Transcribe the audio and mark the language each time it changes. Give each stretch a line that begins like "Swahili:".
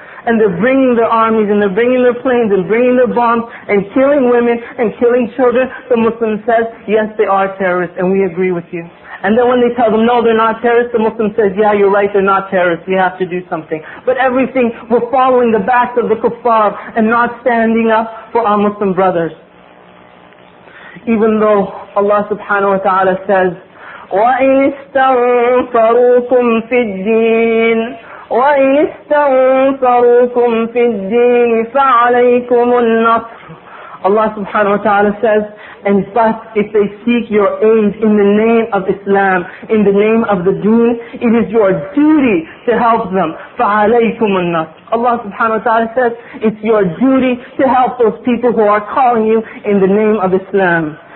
English: And they're bringing their armies, and they're bringing their planes, and bringing their bombs, and killing women, and killing children. The Muslim says, yes, they are terrorists, and we agree with you. And then when they tell them, no, they're not terrorists, the Muslim says, yeah, you're right, they're not terrorists, we have to do something. But everything, we're following the backs of the kuffar, and not standing up for our Muslim brothers. Even though Allah subhanahu wa ta'ala says,
Arabic: وَإِنِ اسْتَنْصَرُوكُمْ فِي الدِّينِ وَإِنِ اسْتَنْصَرُوكُمْ فِي الدِّينِ فَعَلَيْكُمُ النَّصْرُ.
English: Allah subhanahu wa ta'ala says, and but if they seek your aid in the name of Islam, in the name of the deen, it is your duty to help them.
Arabic: فَعَلَيْكُمُ النَّصْرُ.
English: Allah subhanahu wa ta'ala says, it's your duty to help those people who are calling you in the name of Islam.